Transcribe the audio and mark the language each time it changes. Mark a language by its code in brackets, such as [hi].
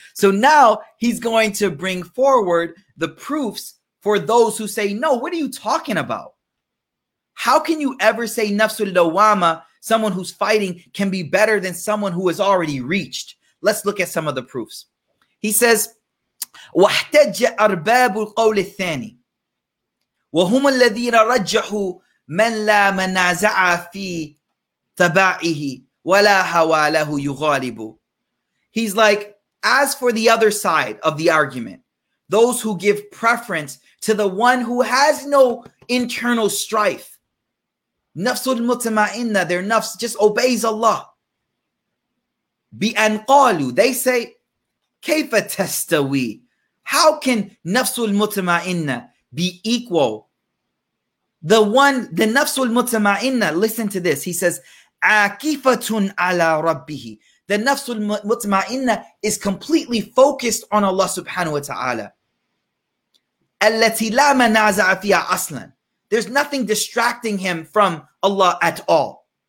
[en] So now he's going to bring forward the proofs for those who say, no, what are you talking about? How can you ever say nafsul lawama, someone who's fighting, can be better than someone who has already reached? Let's look at some of the proofs. He says, [ar] واحتج أرباب القول الثاني وهم الذين رجحوا من لا منازع في تبعه ولا هوى له يغالب. [en] He's like, as for the other side of the argument, those who give preference to the one who has no internal strife, nafsul mutma'inna, their nafs just obeys Allah. [ar] بأن قالوا, [en] they say, [ar] كيف تستوي, [en] how can نفس المطمئنة be equal, the one, the نفس المطمئنة, listen to this, he says, [ar] عاكفة على ربه, [en] the نفس المطمئنة is completely focused on Allah subhanahu wa ta'ala, [ar] التي لا منازع فيها أصلا, [en] there's nothing distracting him from Allah at all.